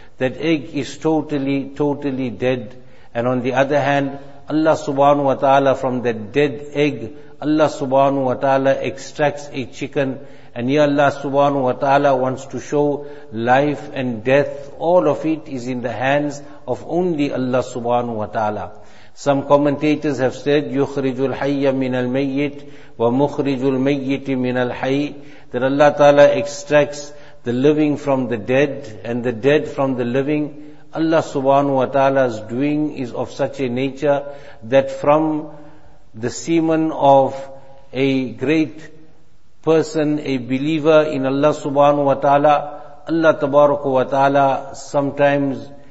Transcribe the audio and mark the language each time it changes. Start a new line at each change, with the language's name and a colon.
English: That egg is totally, totally dead. And on the other hand, Allah Subhanahu wa Ta'ala, from that dead egg, Allah Subhanahu wa Ta'ala extracts a chicken. And here Allah Subhanahu wa Ta'ala wants to show life and death, all of it is in the hands of only Allah Subhanahu wa Ta'ala. Some commentators have said,
Arabic: يُخْرِجُ الْحَيَّ مِنَ الْمَيِّتِ وَمُخْرِجُ الْمَيِّتِ مِنَ الْحَيِّ.
English: That Allah Ta'ala extracts the living from the dead and the dead from the living. Allah Subhanahu wa Ta'ala's doing is of such a nature that from the semen of a great person, a believer in Allah Subhanahu wa Ta'ala, Allah Tabaraka wa Ta'ala sometimes